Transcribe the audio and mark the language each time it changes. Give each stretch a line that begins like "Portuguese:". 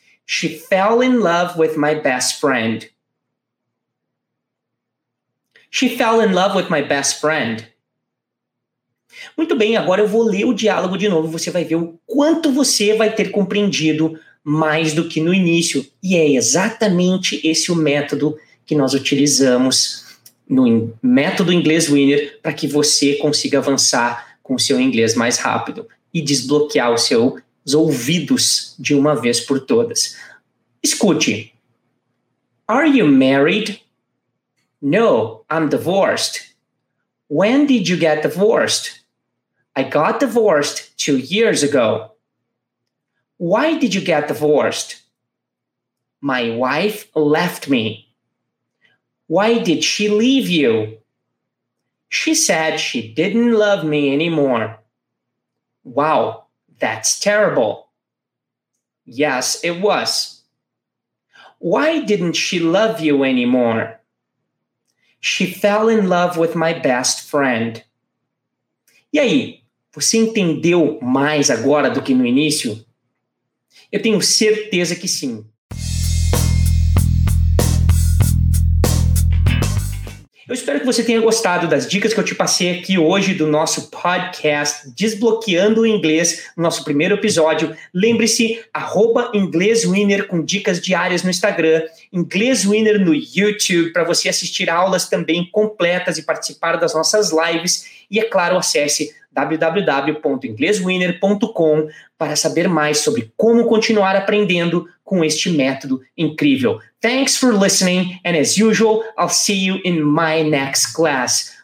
English: She fell in love with my best friend. She fell in love with my best friend.
Portuguese: Muito bem, agora eu vou ler o diálogo de novo. Você vai ver o quanto você vai ter compreendido mais do que no início. E é exatamente esse o método que nós utilizamos no método Inglês Winner para que você consiga avançar com o seu inglês mais rápido e desbloquear os seus ouvidos de uma vez por todas. Escute.
English: Are you married? No, I'm divorced. When did you get divorced? I got divorced 2 years ago. Why did you get divorced? My wife left me. Why did she leave you? She said she didn't love me anymore. Wow, that's terrible. Yes, it was. Why didn't she love you anymore? She fell in love with my best friend.
Portuguese: E aí, você entendeu mais agora do que no início? Eu tenho certeza que sim. Eu espero que você tenha gostado das dicas que eu te passei aqui hoje do nosso podcast Desbloqueando o Inglês, no nosso primeiro episódio. Lembre-se, @inglêswinner com dicas diárias no Instagram, inglêswinner no YouTube para você assistir aulas também completas e participar das nossas lives. E, é claro, acesse www.inglêswinner.com para saber mais sobre como continuar aprendendo com este método incrível.
English: Thanks for listening, and as usual, I'll see you in my next class.